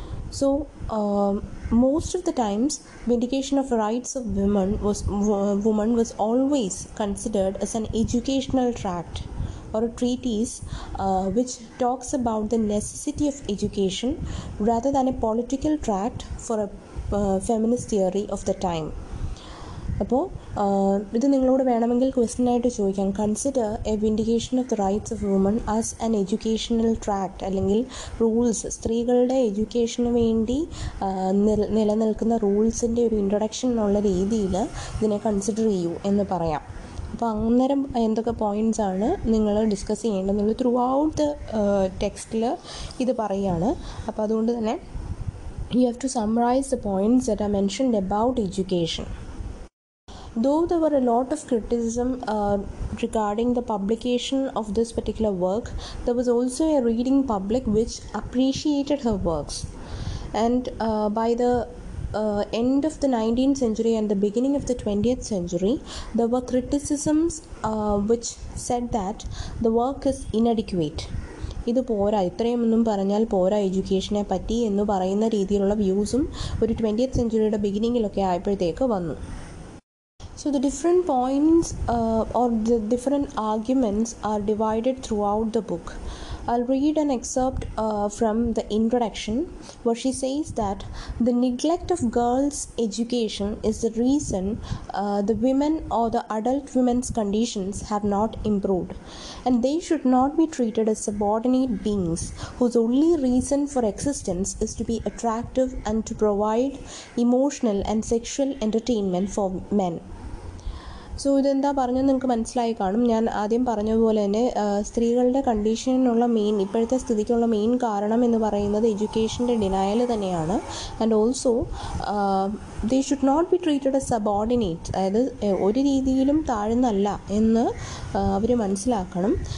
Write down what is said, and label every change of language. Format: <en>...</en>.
<en>So most of the times, vindication of rights of women was always considered as an educational tract or a treatise which talks about the necessity of education rather than a political tract for a feminist theory of the time.</en> <ml>അപ്പോൾ ഇത് നിങ്ങളോട് വേണമെങ്കിൽ question ആയിട്ട് ചോദിക്കാം.</ml> <en>consider a vindication of the rights of woman as an educational tract,</en> <ml>അല്ലെങ്കിൽ rules, സ്ത്രീകളുടെ എഡ്യൂക്കേഷന് വേണ്ടി നിലനിൽക്കുന്ന റൂൾസിൻ്റെ ഒരു ഇൻട്രൊഡക്ഷൻ എന്നുള്ള രീതിയിൽ ഇതിനെ കൺസിഡർ ചെയ്യൂ എന്ന് പറയാം. അപ്പോൾ അന്നേരം എന്തൊക്കെ പോയിൻറ്റ്സ് ആണ് നിങ്ങൾ ഡിസ്കസ് ചെയ്യേണ്ടതെന്നുള്ളത് ത്രൂ ഔട്ട് ദ ടെക്സ്റ്റിൽ ഇത് പറയുകയാണ്. അപ്പോൾ അതുകൊണ്ട് തന്നെ</ml> <en>You have to summarise the points that are mentioned about education. Though there were a lot of criticism regarding the publication of this particular work, there was also a reading public which appreciated her works. And by the end of the 19th century and the beginning of the 20th century, there were criticisms which said that the work is inadequate.</en> <ml>ഇത് പോരാ, ഇത്രയുമൊന്നും പറഞ്ഞാൽ പോരാ എഡ്യൂക്കേഷനെ പറ്റി എന്ന് പറയുന്ന രീതിയിലുള്ള വ്യൂസും ഒരു 20th സെഞ്ചുറിയുടെ ബിഗിനിങ്ങിലൊക്കെ ആയപ്പോഴത്തേക്ക് വന്നു.</ml> <en>So the different points or the different arguments are divided throughout the book. I'll read an excerpt from the introduction where she says that the neglect of girls' education is the reason the women or the adult women's conditions have not improved, and they should not be treated as subordinate beings whose only reason for existence is to be attractive and to provide emotional and sexual entertainment for men.</en> <ml>So ഇതെന്താ പറഞ്ഞത് നിങ്ങൾക്ക് മനസ്സിലായി കാണും. ഞാൻ ആദ്യം പറഞ്ഞതുപോലെ തന്നെ സ്ത്രീകളുടെ കണ്ടീഷനുള്ള മെയിൻ, ഇപ്പോഴത്തെ സ്ഥിതിക്കുള്ള മെയിൻ കാരണം എന്ന് പറയുന്നത് എഡ്യൂക്കേഷൻ്റെ ഡിനയൽ തന്നെയാണ്.</ml> <en>and also they should not be treated a subordinate,</en> <ml>അതായത് ഒരു രീതിയിലും താഴ്ന്നല്ല എന്ന് അവർ മനസ്സിലാക്കണം.</ml>